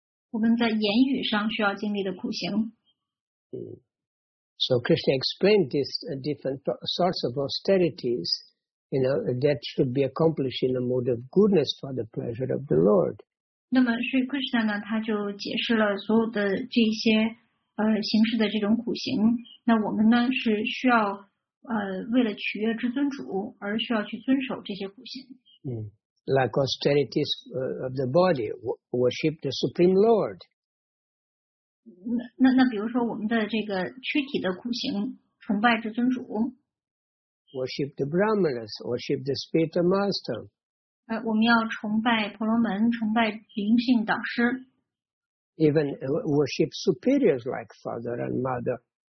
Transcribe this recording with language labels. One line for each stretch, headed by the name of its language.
Chinese: 我们在言语上需要经历的苦行。
English: So Krishna explained these different sorts of austerities. You know, that should be accomplished in a mode of goodness for the pleasure of the Lord.
Chinese: 那么Sri Krishna呢，他就解释了所有的这些形式的这种苦行。那我们呢是需要为了取悦至尊主而需要去遵守这些苦行。
English: Like austerities of the body, worship the Supreme Lord.
Chinese: 那比如说我们的这个躯体的苦行，崇拜至尊主。
English: Worship the Brahmanas, worship the spiritual master.
Chinese: 我们要崇拜婆罗门，崇拜灵性导师。
English: Even worship superiors like father and mother.